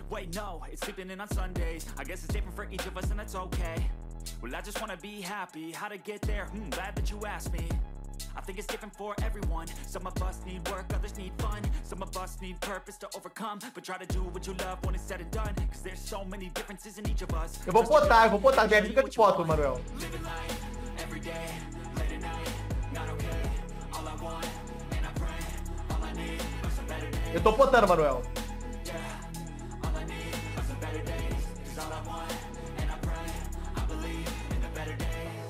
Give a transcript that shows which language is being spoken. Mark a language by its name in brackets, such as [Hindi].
[English] Wait, no, it's sleeping in on Sundays. I guess it's different for each of us and that's okay. Well, I just wanna be happy. How to get there? Glad that you asked me. I think it's different for everyone. Some of us need work, others need fun. Some of us need purpose to overcome. But try to do what you love when it's said and done. Cause there's so many differences in each of us. [Portuguese] Eu vou botar, minha dica de foto, Manuel. [English] Living life, every day, late at night, not okay. All I want, and I pray, all I need, are some better days. [Portuguese] Eu tô botando, Manuel. [English] Yeah, all I need, are some better days. Cause all I want, and I pray, I believe in the better day.